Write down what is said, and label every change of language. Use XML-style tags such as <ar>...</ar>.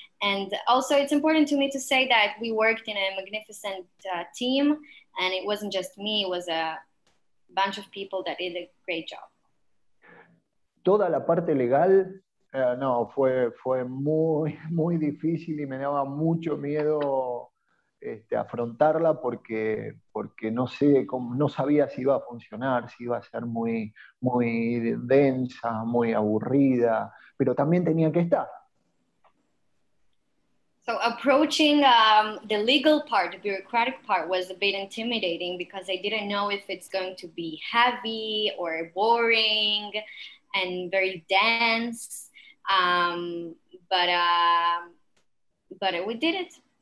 <en>And also, it's important to me to say that we worked in a magnificent team, and it wasn't just me; it was a bunch of people that did a great job.</en> <es>Toda la parte legal, no, fue muy muy difícil y me daba mucho miedo. Afrontarla porque no sé cómo, no sabía si iba a funcionar, si iba a ser muy, muy densa, muy aburrida, pero también tenía que estar.</es> <en>So approaching the legal part, the bureaucratic part, was a bit intimidating because I didn't know if it's going to be heavy or boring and very dense, but we did it.</en>